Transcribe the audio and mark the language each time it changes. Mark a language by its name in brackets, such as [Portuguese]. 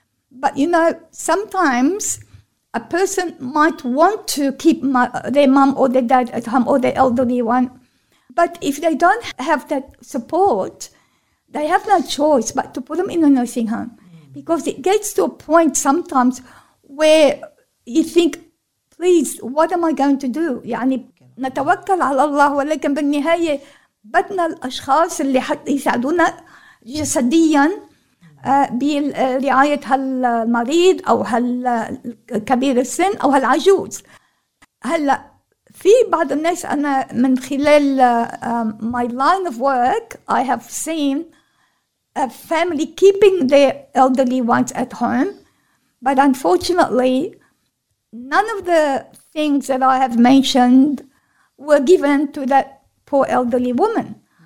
[English] But, you know, sometimes a person might want to keep their mum or their dad at home or their elderly one. But if they don't have that support, they have no choice but to put them in a nursing home. Because it gets to a point sometimes where you think, please, what am I going to do? [Arabic] يعني نتوكل على الله ولكن بالنهاية بدنا الأشخاص اللي حتى يساعدونا جسديا برعاية هالمريض أو هالكبير السن أو هالعجوز. هلا في بعض الناس أنا من خلال [English] my line of work I have seen a family keeping their elderly ones at home, but unfortunately none of the things that I have mentioned were given to that poor elderly woman.